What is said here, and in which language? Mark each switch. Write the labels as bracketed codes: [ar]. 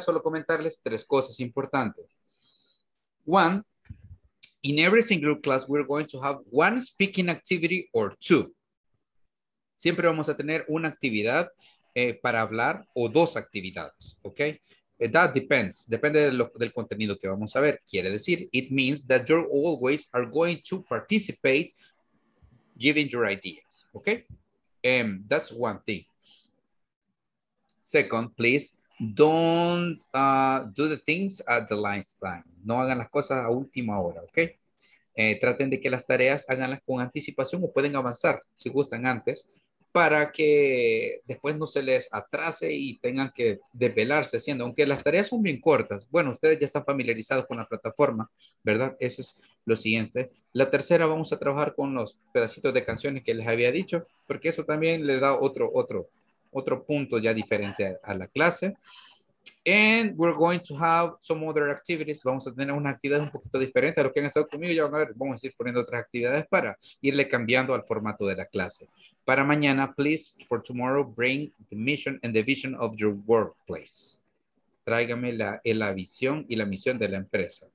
[es] Solo comentarles tres cosas importantes. [en] One, in every single class, we're going to have one speaking activity or two. [es] Siempre vamos a tener una actividad para hablar o dos actividades, ok? [en] That depends. [es] Depende de del contenido que vamos a ver. Quiere decir, [en] it means that you're always are going to participate giving your ideas, ok? That's one thing. Second, please, don't do the things at the last time. [es] No hagan las cosas a última hora, ¿ok? Traten de que las tareas háganlas con anticipación o pueden avanzar, si gustan, antes, para que después no se les atrase y tengan que desvelarse haciendo. Aunque las tareas son bien cortas. Bueno, ustedes ya están familiarizados con la plataforma, ¿verdad? Eso es lo siguiente. La tercera, vamos a trabajar con los pedacitos de canciones que les había dicho, porque eso también les da otro punto ya diferente a la clase. [en] And we're going to have some other activities. [es] Vamos a tener unas actividades un poquito diferentes a lo que han estado conmigo. Ya van a ver, vamos a ir poniendo otras actividades para irle cambiando al formato de la clase. Para mañana, [en] please, for tomorrow, bring the mission and the vision of your workplace. [es] Tráigame la visión y la misión de la empresa.